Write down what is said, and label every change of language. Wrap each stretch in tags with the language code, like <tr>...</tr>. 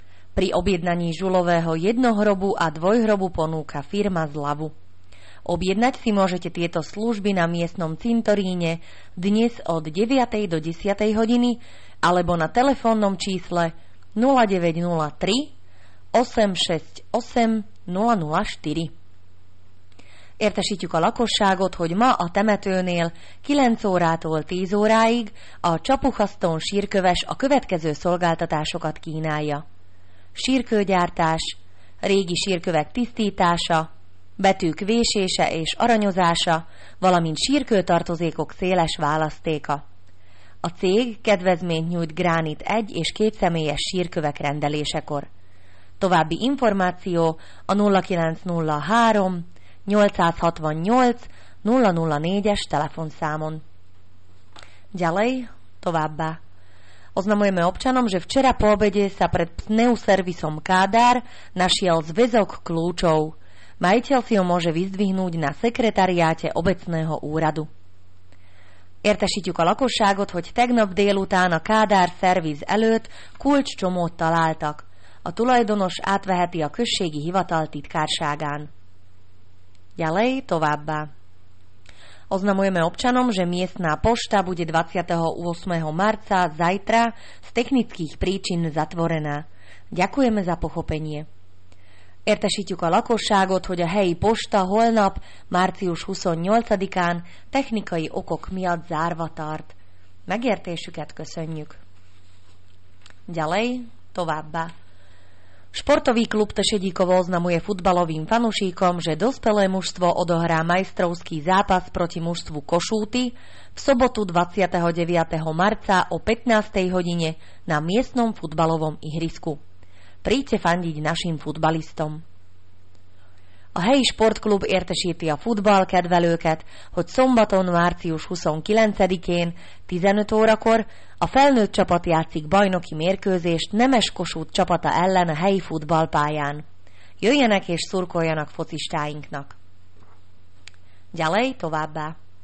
<sk>Pri objednaní žulového jednohrobu a dvojhrobu ponúka firma zľavu. Objednať si môžete tieto služby na miestnom cintoríne dnes od 9. do 10. hodiny alebo na telefónnom čísle 0903 868 004.</sk> <hu>Értesítjük a lakosságot, hogy ma a temetőnél 9 órától 10 óráig a Csapucha Stone sírköves a következő szolgáltatásokat kínálja. Sírkőgyártás, régi sírkövek tisztítása, betűk vésése és aranyozása, valamint sírkőtartozékok széles választéka. A cég kedvezményt nyújt gránit egy és két személyes sírkövek rendelésekor. További információ a 0903 868 004-es telefonszámon.</hu> <sk>Ďalej,</sk> <hu>továbbá.</hu> <sk>Oznamujeme občanom, že včera po obede sa pred pneuservisom Kádár našiel zväzok kľúčov. Majiteľ si ho môže vyzdvihnúť na sekretariáte obecného úradu.</sk> <hu>Értesítjük a lakosságot, hogy tegnap délután a Kádár szerviz előtt kulcscsomót találtak. A tulajdonos átveheti a községi hivatal titkárságán.</hu> <sk>Ďalej,</sk> <hu>továbbá.</hu> <sk>Oznamujeme občanom, že miestná pošta bude 28. marca zajtra z technických príčin zatvorená. Ďakujeme za pochopenie.</sk> <hu>Értesítjük a lakosságot, hogy a helyi posta holnap, március 28-án technikai okok miatt zárva tart. Megértésüket köszönjük.</hu> <sk>Ďalej,</sk> <hu>továbbá.</hu> <sk>Športový klub Tešedíkovo oznamuje futbalovým fanušíkom, že dospelé mužstvo odohrá majstrovský zápas proti mužstvu Košúty v sobotu 29. marca o 15. hodine na miestnom futbalovom ihrisku. Príďte fandiť našim futbalistom.</sk> <hu>A helyi športklub értesíti a futballkedvelőket, hogy szombaton március 29-én 15 órakor a felnőtt csapat játszik bajnoki mérkőzést Nemes Kossuth csapata ellen a helyi futballpályán. Jöjjenek és szurkoljanak focistáinknak!</hu> <sk>Ďalej,</sk> <hu>továbbá!</hu>